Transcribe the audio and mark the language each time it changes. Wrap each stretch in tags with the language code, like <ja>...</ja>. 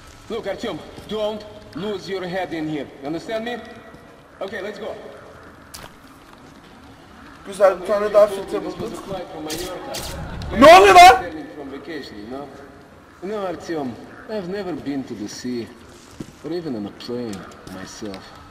<en>Look Artyom, don't lose your head in here. You understand me? Okay, let's go.</en> <tr>Güzel, bir tane daha filtre bulduk. Ne oluyor lan?</tr> <en>You know Artyom, I've never been to the sea. Or even on a plane, myself.</en>